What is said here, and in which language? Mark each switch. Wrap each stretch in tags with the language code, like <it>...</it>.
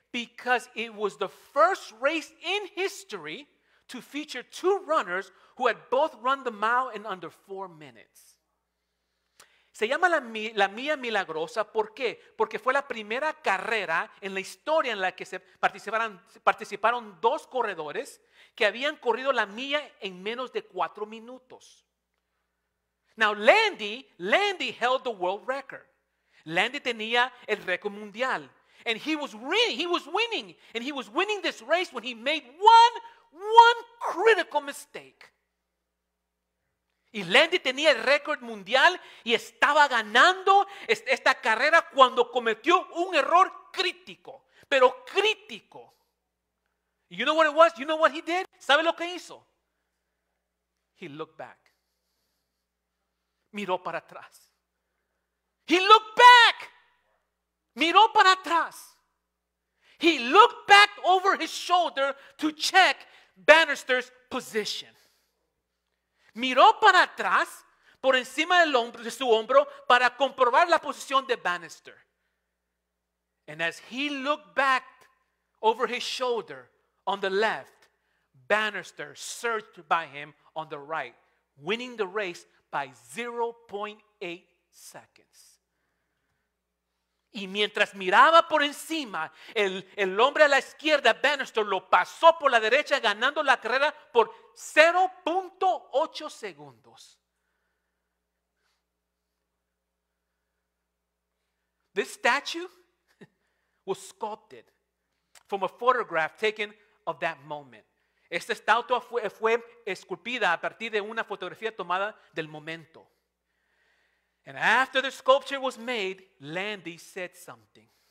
<en>Because it was the first race in history to feature two runners who had both run the mile in under 4 minutes.</en> <es>Se llama la Milla Milagrosa, ¿por qué? Porque fue la primera carrera en la historia en la que participaron dos corredores que habían corrido la milla en menos de 4 minutos.</es> <en>Now, Landy held the world record.</en> <es>Landy tenía el récord mundial.</es> <en>And he was winning. And he was winning this race when he made one critical mistake.</en> <es>Y Landy tenía el récord mundial y estaba ganando esta carrera cuando cometió un error crítico. Pero crítico.</es> <en>You know what it was? You know what he did?</en> <es>¿Sabe lo que hizo?</es> <en>He looked back.</en> <es>Miró para atrás.</es> <en>He looked back.</en> <es>Miró para atrás.</es> <en>He looked back over his shoulder to check Bannister's position.</en> <es>Miró para atrás, por encima de su hombro, para comprobar la posición de Bannister.</es> <en>And as he looked back over his shoulder on the left, Bannister surged by him on the right, winning the race by 0.8 seconds.</en> <es>Y mientras miraba por encima, el hombre a la izquierda, Bannister, lo pasó por la derecha, ganando la carrera por 0.8 segundos.</es> <en>This statue was sculpted from a photograph taken of that moment.</en> <es>Esta estatua fue esculpida a partir de una fotografía tomada del momento.</es> <en>And after the sculpture was made, Landy said something.</en>